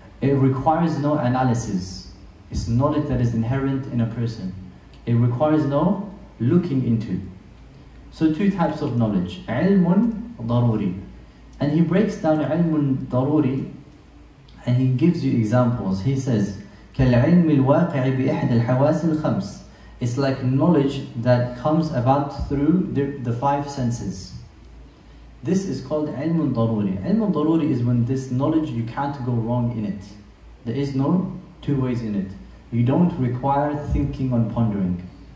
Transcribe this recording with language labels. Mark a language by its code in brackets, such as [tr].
[en] It requires no analysis. It's knowledge that is inherent in a person. It requires no looking into. So two types of knowledge. [ar] عِلْمٌ ضَرُورِ. [en] And he breaks down عِلْمٌ ضَرُورِ and he gives you examples. He says, [ar] كَالْعِلْمِ الْوَاقِعِ بِإِحْدَ الْحَوَاسِ الْخَمْسِ. [en] It's like knowledge that comes about through the five senses. This is called عِلْمٌ ضَرُورِ. عِلْمٌ ضَرُورِ is when this knowledge, you can't go wrong in it. There is no two ways in it. You don't require thinking and pondering.